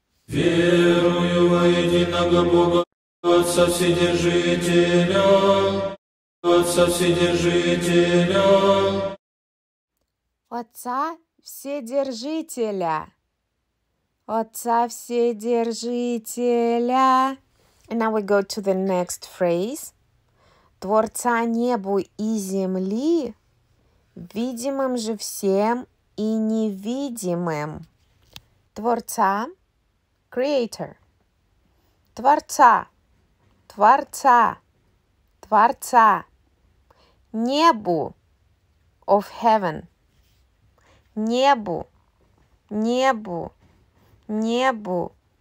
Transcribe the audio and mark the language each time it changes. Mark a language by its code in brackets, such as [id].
[ru] Верую во единого Бога. Отца Вседержителя. Отца Вседержителя. Отца Вседержителя. Отца Вседержителя. [en] And now we go to the next phrase. [ru] Творца небу и земли, видимым же всем и невидимым. Творца, [en] creator. [ru] Творца, творца, творца. Небу, [en] of heaven. [ru] Небу, небу, небу.